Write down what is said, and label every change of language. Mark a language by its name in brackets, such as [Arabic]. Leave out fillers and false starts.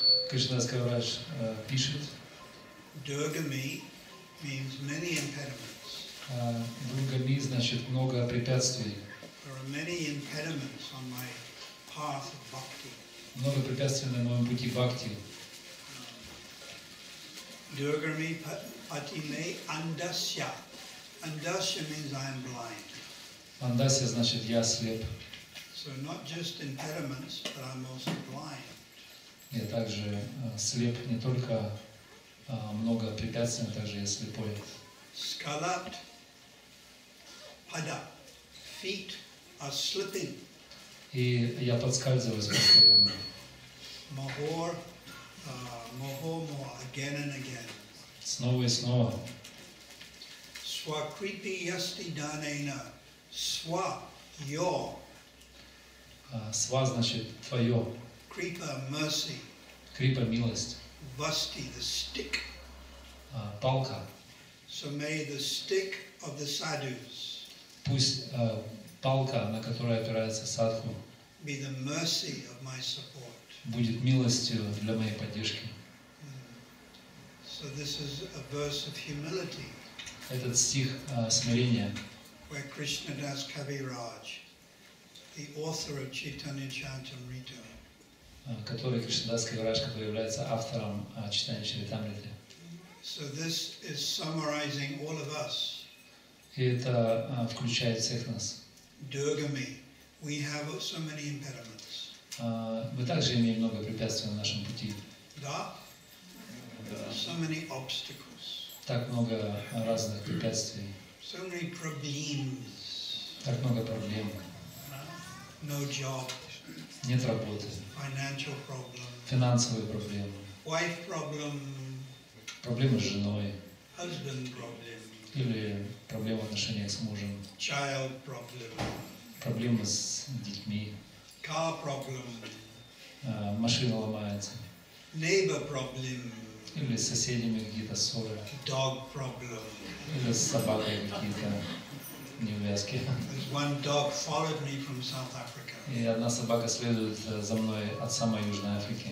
[Russian] Krishnadas Kaviraj пишет. [English] Durgami means many impediments. [Russian] Durgami значит много препятствий. [English] There are many impediments on my path of bhakti. [Russian] Много препятствий на моем пути бхакти. [Sanskrit] Durgami patime andasya. [English] Andasya means I am blind. [Russian] Andasya значит я слеп. [English] So not just impediments, but I'm also blind. [Russian] Я также слеп, не только много препятствий, но также я слепой. [Sanskrit] Skalat pada. [English] Feet are slipping. [Russian] И я подскальзываюсь постоянно. [Sanskrit] Mahor, mahomo, [English] again and again. [Russian] Снова и снова. [Sanskrit] Swakripi yasti danena. Swa, yo. [Russian] Swa значит твое. [English] Kripa, mercy. [Russian] Kripa, милость. [English] Vasti, the stick. [Russian] Палка. [English] So may the stick of the sadhus. [Russian] Пусть палка, на которой опирается садху. [English] Be the mercy of my support. [Russian] Будет милостью для моей поддержки. [English] So this is a verse of humility. [Russian] Этот стих смирения. [English] Where Krishna Das Kaviraj, the author of Chaitanya Charitamrita, [Russian] который Кришна Дас Кавираж, который является автором Чайтанья Чаритамриты. [English] So this is summarizing all of us. [Russian] И это включает всех нас. [English] Durgami, we have so many impediments. [Russian] Мы также имеем много препятствий на нашем пути. [English] Да. So many obstacles. [Russian] Так много разных препятствий. [English] So many problems. [Russian] Так много проблем. [English] No job. [Russian] Нет работы. [English] Financial problem. [Russian] Финансовые проблемы. [English] Wife problem. [Russian] Проблемы с женой. [English] Husband problem. [Russian] Или проблемы в отношениях с мужем. [English] Child problem. [Russian] Проблемы с детьми. [English] Car problem. [Russian] Машина ломается. [English] Neighbor problem. [Russian] Или с соседями какие-то ссоры. [English] Dog problem. [Russian] Или с собакой какие-то неувязки. [English] One dog followed me from South Africa. [Russian] И одна собака следует за мной от самой Южной Африки.